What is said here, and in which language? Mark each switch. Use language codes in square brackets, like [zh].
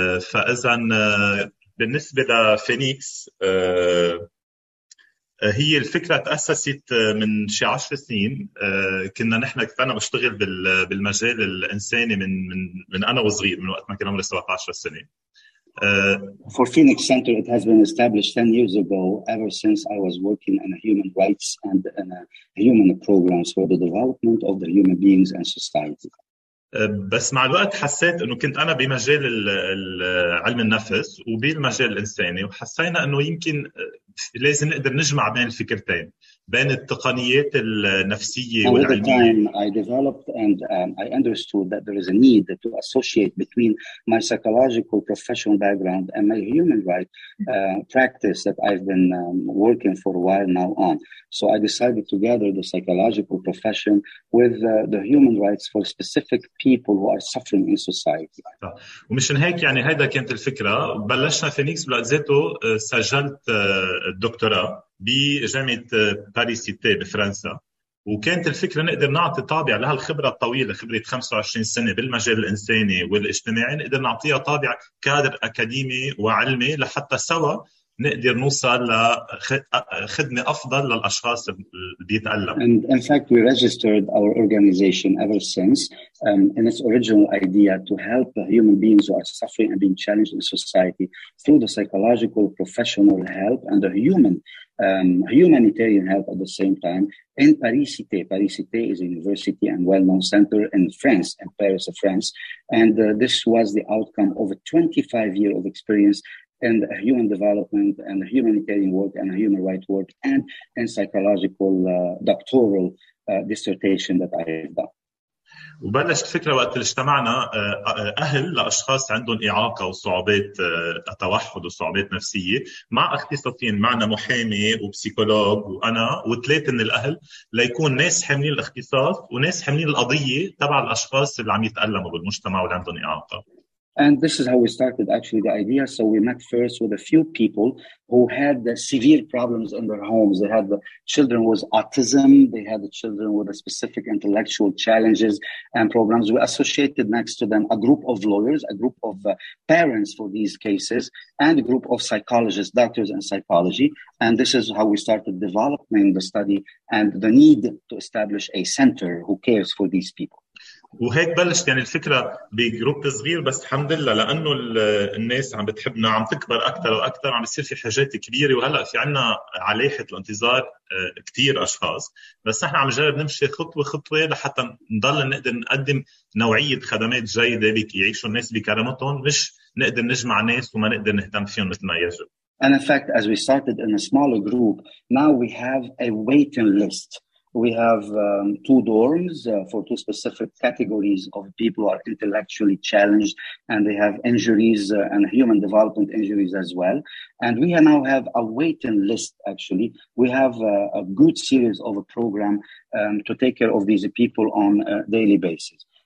[ar] فأذن بالنسبة لفينيكس هي الفكرة تأسست من شي 10 سنين. كنا نحن كنا بشتغل بالمجال الإنساني من أنا وصغير, من وقت ما كنا عمري 17 سنة. [en] For Phoenix Center, it has been established 10 years ago, ever since I was working in human rights and in human programs for the development of the human beings and society. [ar] بس مع الوقت حسيت أنه كنت أنا بمجال علم النفس وبالمجال الإنساني, وحسينا أنه يمكن لازم نقدر نجمع بين الفكرتين بين التقنيات النفسية والعلمية. [en] And with the time I developed and I understood that there is a need to associate between my psychological professional background and my human rights practice that I've been working for a while now on. So I decided to gather the psychological profession with the human rights for specific people who are suffering in society. [ar] ومشان هيك يعني هيدا كانت الفكرة بلشنا فينيكس بلقزيته سجلت الدكتوراه بجامعة باريس سيتي بفرنسا وكانت الفكرة نقدر نعطي طابع لها الخبرة الطويلة خبرة 25 سنة بالمجال الإنساني والاجتماعي نقدر نعطيها طابع كادر أكاديمي وعلمي لحتى سوا نقدر نوصل لخدمة أفضل للأشخاص اللي بيتألم. [en] And in fact, we registered our organization ever since in its original idea to help human beings who are suffering and being challenged in society through the psychological professional help and the human humanitarian help at the same time in Paris Cité. Paris Cité is a university and well-known center in France, in Paris of France. And this was the outcome of 25 years of experience and human development and humanitarian work and human rights work and in psychological doctoral dissertation that I have done. [ar] وبلشت الفكرة وقت اللي اجتمعنا أهل لأشخاص عندهم إعاقة وصعوبات التوحد وصعوبات نفسية مع اختصاصيين معنا محامي وبسيكولوج وأنا وثلاثة من الأهل ليكون ناس حاملين الاختصاص وناس حاملين القضية تبع الأشخاص اللي عم يتألموا بالمجتمع واللي عندهم إعاقة. [en] And this is how we started actually the idea. So we met first with a few people who had severe problems in their homes. They had the children with autism. They had the children with a specific intellectual challenges and problems. We associated next to them a group of lawyers, a group of parents for these cases, and a group of psychologists, doctors in psychology. And this is how we started developing the study and the need to establish a center who cares for these people. [ar] وهيك بلشت يعني الفكرة بجروب صغير بس الحمد لله لأنه الناس عم بتحبنا عم تكبر أكثر وأكثر عم بيصير في حاجات كبيرة وهلأ في عنا عليحة الانتظار كتير أشخاص بس نحن عم نجرب نمشي خطوة خطوة لحتى نضل نقدر نقدم نوعية خدمات جيدة يعيشوا الناس بكرامتهم مش نقدر نجمع ناس وما نقدر نهتم فيهم مثل ما يجب. [en] And in fact as we started in a smaller group now we have a waiting list. We have two dorms for two specific categories of people who are intellectually challenged and they have injuries and human development injuries as well. And we now have a waiting list, actually. We have a good series of a program to take care of these people on a daily basis.